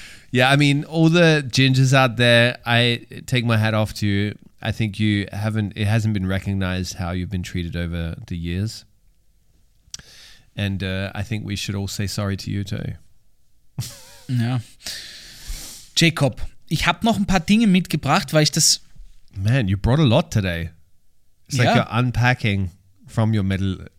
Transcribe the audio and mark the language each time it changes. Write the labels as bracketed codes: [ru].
[en] Yeah, I mean, all the gingers out there, I take my hat off to you. I think it hasn't been recognized how you've been treated over the years. And I think we should all say sorry to you too. [de] Ja. Jacob, ich habe noch ein paar Dinge mitgebracht, weil ich das... [en] Man, you brought a lot today. It's like you're unpacking from your medieval.